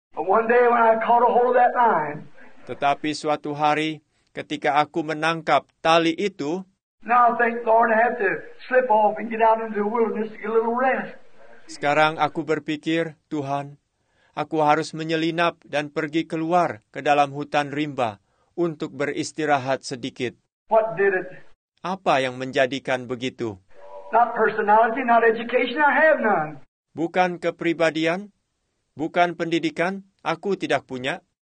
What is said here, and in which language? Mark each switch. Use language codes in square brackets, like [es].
[en] One day when I caught a hold of that line, [id] tetapi suatu hari ketika aku menangkap tali itu, [en] now I think, Lord, I have to slip off and get out into the wilderness to get a little rest. [id] Sekarang aku berpikir, Tuhan, aku harus menyelinap dan pergi keluar ke dalam hutan rimba untuk beristirahat sedikit. [en] What did it? [id] Apa yang menjadikan begitu? [en] Not personality, not education, I have none. [id] Bukan kepribadian, bukan pendidikan, aku tidak punya.